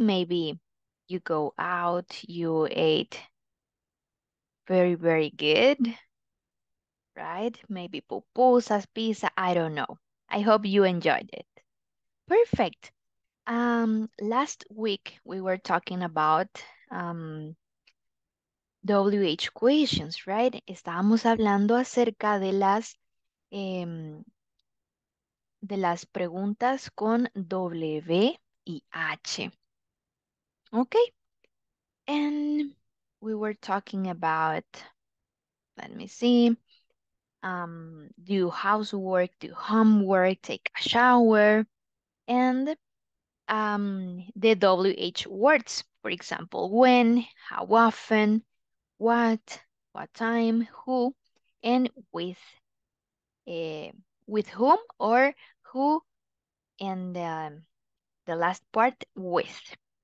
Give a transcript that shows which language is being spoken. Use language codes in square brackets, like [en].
[en] Maybe you go out, you ate very, very good, right? Maybe pupusas, pizza, I don't know. I hope you enjoyed it. Perfect. Last week we were talking about WH questions, right? [es] Estábamos hablando acerca de las preguntas con W y H. [en] Okay. And we were talking about, let me see, do housework, do homework, take a shower, and the WH words, for example, when, how often, what time, who, and with whom or who, and the last part with.